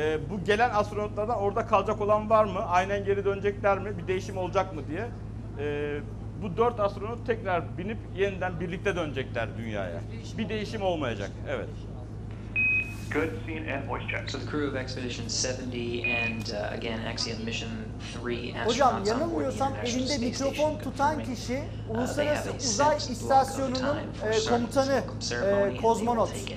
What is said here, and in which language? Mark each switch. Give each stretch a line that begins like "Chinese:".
Turkish: Bu gelen astronotlardan orada kalacak olan var mı? Aynen geri dönecekler mi? Bir değişim olacak mı diye. Bu 4 astronot tekrar binip yeniden birlikte dönecekler dünyaya. Bir değişim olmayacak. Evet.
English: Good scene and voice check. So the crew of Expedition 70 and again Axiom Mission 3 astronauts.
Turkish: Hocam yanılmıyorsam elinde mikrofon tutan kişi Uluslararası Uzay İstasyonu'nun komutanı kozmonot